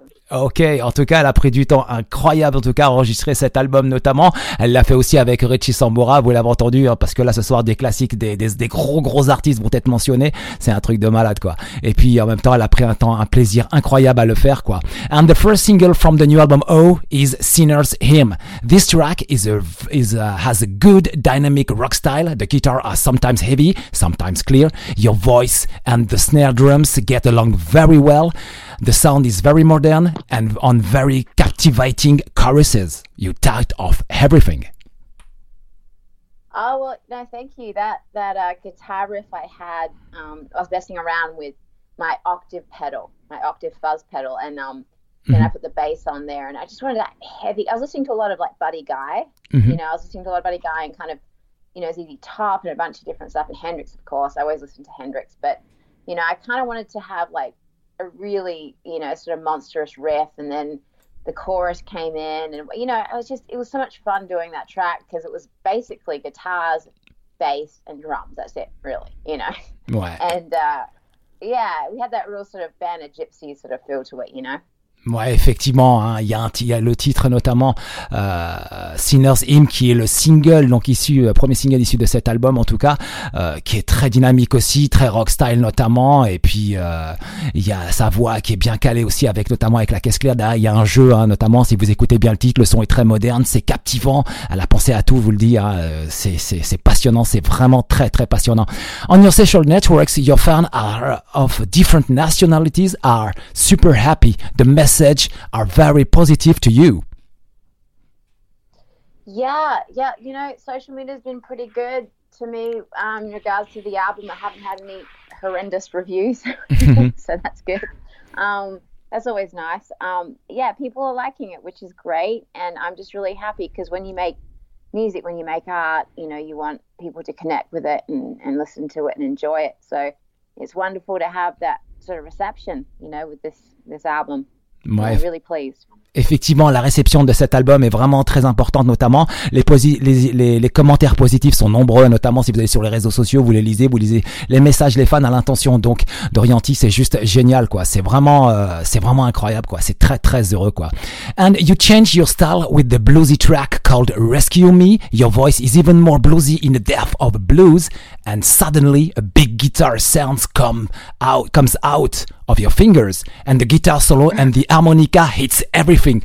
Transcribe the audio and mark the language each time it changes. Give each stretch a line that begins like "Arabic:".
French: Okay, en tout cas, elle a pris du temps incroyable, en tout cas, à enregistrer cet album notamment. Elle l'a fait aussi avec Richie Sambora, vous l'avez entendu, hein, parce que là, ce soir, des classiques, des gros, gros artistes vont être mentionnés. C'est un truc de malade, quoi. Et puis, en même temps, elle a pris un temps, un plaisir incroyable à le faire, quoi.
English: And the first single from the new album, O, is Sinner's Hymn. This track has a good dynamic rock style. The guitar are sometimes heavy, sometimes clear. Your voice and the snare drums get along very well. The sound is very modern and on very captivating choruses. You tapped off everything. Oh, well, no, thank you. That guitar riff I had, I was messing around with my octave pedal, my octave fuzz pedal, and then I put the bass on there, and I just wanted that heavy. I was listening to a lot of, like, Buddy Guy. Mm-hmm. You know, I was listening to a lot of Buddy Guy and kind of, you know, ZZ Top and a bunch of different stuff, and Hendrix, of course. I always listen to Hendrix, but, you know, I kind of wanted to have, like, a really, you know, sort of monstrous riff, and then the chorus came in, and you know, it was so much fun doing that track because it was basically guitars, bass, and drums. That's it, really, you know.
French: Ouais.
English: And yeah, we had that real sort of band of gypsies sort of feel to it, you know.
French: Ouais, effectivement, hein, il y a le titre notamment Sinner's Hymn qui est le single, donc issu, premier single issu de cet album en tout cas, qui est très dynamique aussi, très rock style notamment, et puis il y a sa voix qui est bien calée aussi avec notamment avec la caisse claire. Derrière, il y a un jeu, hein, notamment si vous écoutez bien le titre, le son est très moderne, c'est captivant, elle a pensé à tout, vous le dis, hein, c'est passionnant, c'est vraiment très très passionnant.
English: On your social networks, your fans are of different nationalities are super happy. The message are very positive to you. Yeah, you know, social media has been pretty good to me in regards to the album. I haven't had any horrendous reviews, so that's good. That's always nice. Yeah, people are liking it, which is great, and I'm just really happy because when you make music, when you make art, you know, you want people to connect with it and listen to it and enjoy it. So it's wonderful to have that sort of reception, you know, with this album.
French: Ouais.
English: I'm really pleased.
French: Effectivement, la réception de cet album est vraiment très importante, notamment les commentaires positifs sont nombreux, notamment si vous allez sur les réseaux sociaux, vous lisez les messages, les fans à l'intention donc d'Orienti, c'est juste génial quoi, c'est vraiment incroyable quoi, c'est très très heureux quoi.
English: And you change your style with the bluesy track called Rescue Me. Your voice is even more bluesy in the depth of blues, and suddenly a big guitar sounds comes out of your fingers, and the guitar solo and the harmonica hits everything.